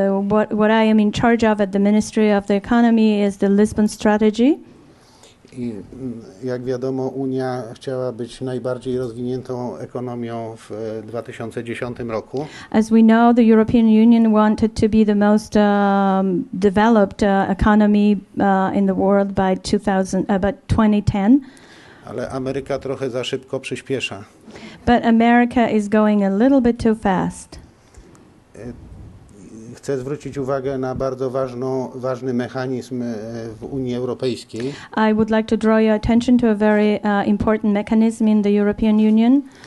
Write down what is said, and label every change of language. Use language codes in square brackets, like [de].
[en] What I am in charge of at the Ministry of the Economy is the Lisbon strategy. [pl] I jak wiadomo, Unia chciała być najbardziej rozwiniętą ekonomią w 2010 roku. [en] As we know, the European Union wanted to be the most developed economy in the world by 2010. [pl] Ale Ameryka trochę za szybko przyspiesza. [en] But America is going a little bit too fast. [pl] Chcę zwrócić uwagę na bardzo ważny mechanizm w Unii Europejskiej. [en] I would like to draw your attention to a very important mechanism in the European Union.